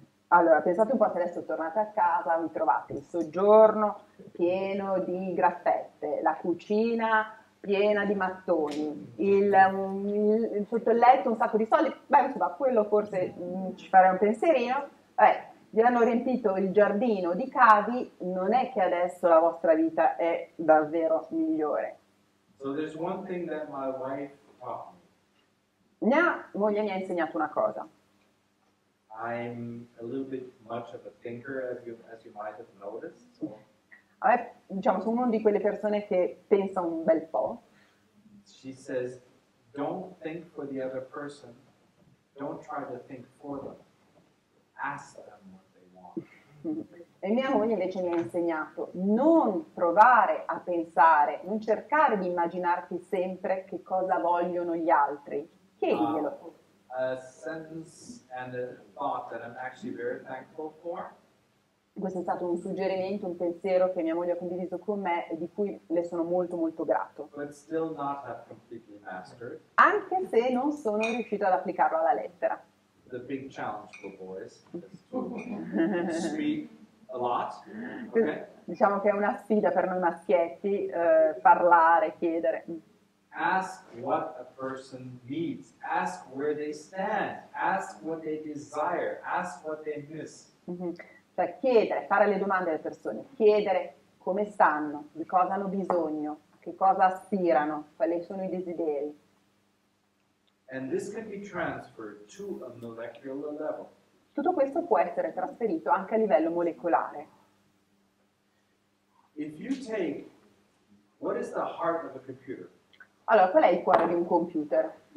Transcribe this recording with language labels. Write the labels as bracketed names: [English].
[Italian] Allora, pensate un po' se adesso tornate a casa, vi trovate il soggiorno pieno di graffette, la cucina piena di mattoni, il sotto il letto un sacco di soldi, beh, insomma, quello forse ci farà un pensierino. Vi hanno riempito il giardino di cavi, non è che adesso la vostra vita è davvero migliore. [English] So there's one thing that my wife taught [Italian] me. Mia moglie mi ha insegnato una cosa. [English] I'm a little bit much of a thinker, as you might have noticed. So. [Italian] Diciamo, sono una di quelle persone che pensa un bel po'. [English] She says, don't think for the other person. Don't try to think for them. Ask them what they want. [Italian] E mia moglie invece mi ha insegnato, non provare a pensare, non cercare di immaginarti sempre che cosa vogliono gli altri. Chiediglielo. [English] a sentence and a thought that I'm actually very thankful for. [Italian] Questo è stato un suggerimento, un pensiero che mia moglie ha condiviso con me e di cui le sono molto molto grato. [English] But still not have completely mastered. [Italian] Anche se non sono riuscito ad applicarlo alla lettera. [English] The big challenge for boys is to speak a lot. Okay. [Italian] Diciamo che è una sfida per noi maschietti, parlare, chiedere. [English] Ask what a person needs. Ask where they stand. Ask what they desire. Ask what they miss. [Italian] Cioè chiedere, fare le domande alle persone, chiedere come stanno, di cosa hanno bisogno, che cosa aspirano, quali sono i desideri. [English] And this can be transferred to a molecular level. [Italian] Tutto questo può essere trasferito anche a livello molecolare. [English] If you take, what is the heart of a computer? [Italian] Allora, qual è il cuore di un computer?